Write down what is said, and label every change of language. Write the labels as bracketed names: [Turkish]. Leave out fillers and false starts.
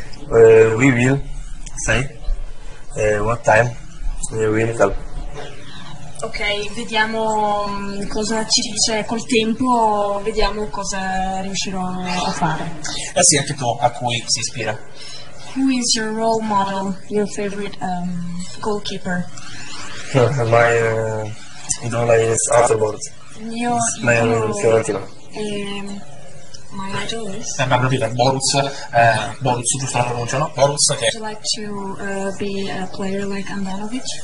[English] We will say what time we will talk. [Italian] Ok, vediamo cosa ci dice col tempo, vediamo cosa riuscirò a fare. Eh sì, anche tu a cui si ispira. [English] Who is your role model, your favorite goalkeeper? My idol is Arthurbord. My idol is Fiorentino. My idol is? [Italian] Mi hanno detto Boruts, Boruts, giusto la pronuncia, no? Boruts, ok. [English] Would you like to be a player like Handanovic?